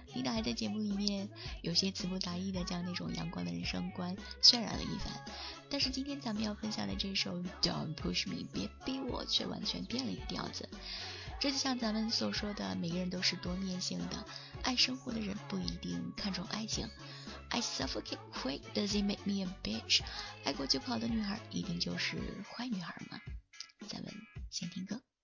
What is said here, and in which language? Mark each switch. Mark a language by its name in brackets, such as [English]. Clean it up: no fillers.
[Chinese] 琳达还在节目里面有些词不达意的将那种阳光的人生观渲染了一番，但是今天咱们要分享的这首 Don't Push Me 别逼我却完全变了一个调子。这就像咱们所说的，每个人都是多面性的，爱生活的人不一定看重爱情。 [English] I suffocate quick, does it make me a bitch? [Chinese] 爱过就跑的女孩一定就是坏女孩吗？咱们先听歌。